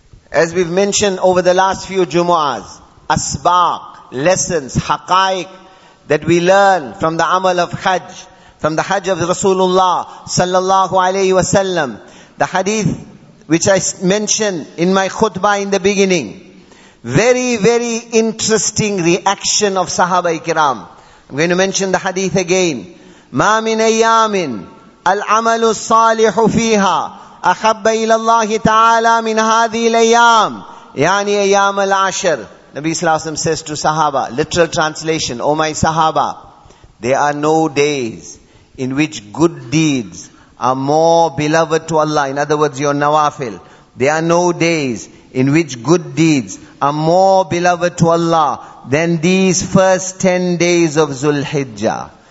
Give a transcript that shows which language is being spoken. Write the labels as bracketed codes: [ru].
[en] As we've mentioned over the last few Jumu'ahs, asbaq, lessons, haqaiq that we learn from the amal of hajj, from the hajj of Rasulullah sallallahu alayhi wa sallam. The hadith which I mentioned in my khutbah in the beginning. Very, very interesting reaction of sahaba ikram. I'm going to mention the hadith again. [ar] Ma min ayyamin al-amalu salihu fiha أحب إلى الله تعالى من هذه الأيام يعني أيام العشر. [en] Nabi Sallallahu Alaihi Wasallam says to Sahaba, literal translation, O my Sahaba, there are no days in which good deeds are more beloved to Allah. In other words, your nawafil. There are no days in which good deeds are more beloved to Allah than these first 10 days of Zulhijjah.